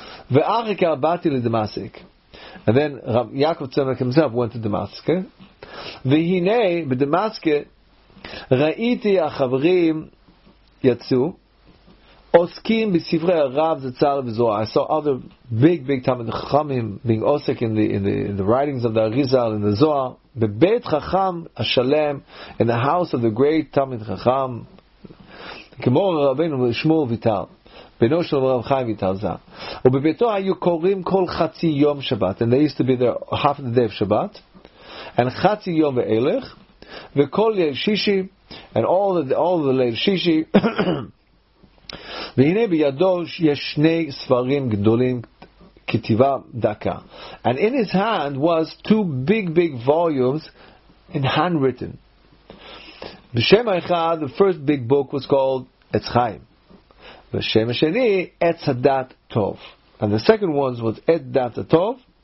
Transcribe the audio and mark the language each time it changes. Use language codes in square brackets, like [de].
[he] ואחרי כך באתי לדמאסק. [en] And then Rav Yaakov Tzemach himself went to Damascus. [he] והנה בדמאסקה ראיתי החברים יצאו עוסקים בספרי הרב זצ"ל וזוהר. [en] I saw other big Talmid Chachamim being עוסק in the writings of the Arizal and the Zohar. [he] בבית חכם השלם, [en] in the house of the great Talmid Chacham, [he] כמו רבינו שמואל ויטל, בנו של רב חיים ויטל ז"ל, ובביתו היו קוראים כל חצי יום שבת, [en] and they used to be there half the day of Shabbat, [he] and חצי יום ואילך, וכל ליל שישי, and all the ליל שישי, והנה בידו יש שני ספרים גדולים, כתיבה דקה. [en] And in his hand was two big volumes in handwritten. [he] B'Shem HaEchad, [en] the first big book was called Etz Chaim. [he] B'Shem HaSheni, [en] Etz Hadat Tov. And the second one was Etz Hadat Tov.